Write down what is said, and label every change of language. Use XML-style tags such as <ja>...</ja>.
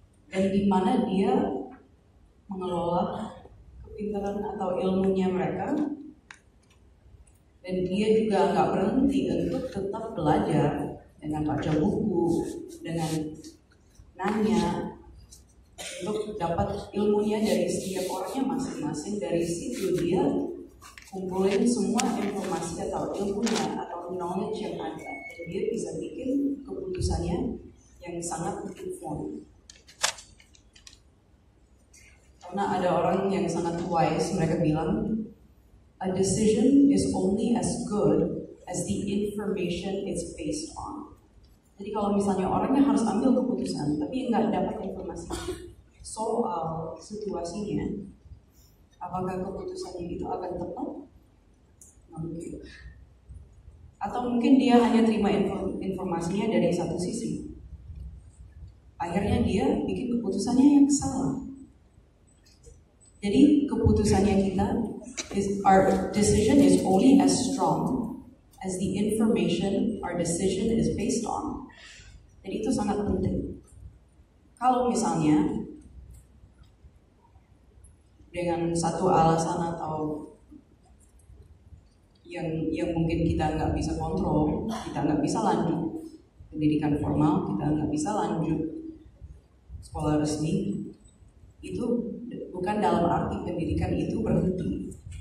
<id>Dan di mana dia mengelola kepintaran atau ilmunya mereka, dan dia juga nggak berhenti untuk tetap belajar dengan baca buku, dengan nanya untuk dapat ilmunya dari setiap orangnya masing-masing. Dari situ dia kumpulin semua informasi atau ilmunya atau knowledge yang ada, dan dia bisa bikin keputusannya yang sangat informed. Karena ada orang yang sangat wise, mereka bilang</id> <en>a decision is only as good as the information it's based on.</en> <id>Jadi kalau misalnya orangnya harus ambil keputusan tapi nggak dapat informasi soal situasinya, apakah keputusannya itu akan tepat? Mungkin. Atau mungkin dia hanya terima informasinya dari satu sisi, akhirnya dia bikin keputusannya yang salah. Jadi keputusannya kita,</id> <en>our decision is only as strong as the information our decision is based on.</en> <id>Jadi itu sangat penting. Kalau misalnya dengan satu alasan atau yang mungkin kita nggak bisa kontrol, kita nggak bisa lanjut pendidikan formal, kita nggak bisa lanjut sekolah resmi, itu bukan dalam arti pendidikan itu berhenti.</id>